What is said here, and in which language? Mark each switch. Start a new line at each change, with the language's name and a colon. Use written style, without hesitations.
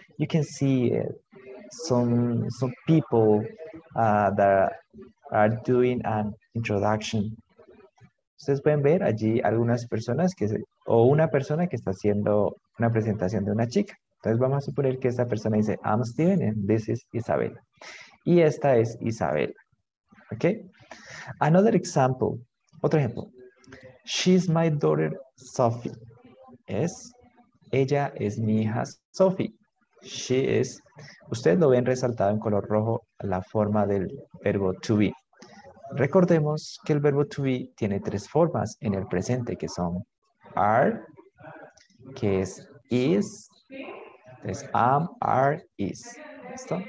English: You can see some people that are doing an introduction.
Spanish: Ustedes pueden ver allí algunas personas que o una persona que está haciendo una presentación de una chica. Entonces vamos a suponer que esta persona dice,
English: I'm Steven and this is Isabella.
Spanish: Y esta es Isabella. ¿Ok?
English: Another example.
Spanish: Otro ejemplo.
English: She's my daughter, Sophie.
Spanish: Es, ella es mi hija, Sophie.
English: She is.
Spanish: Ustedes lo ven resaltado en color rojo la forma del verbo to be. Recordemos que el verbo to be tiene tres formas en el presente, que son are, que es is, entonces am, are, is. ¿Listo?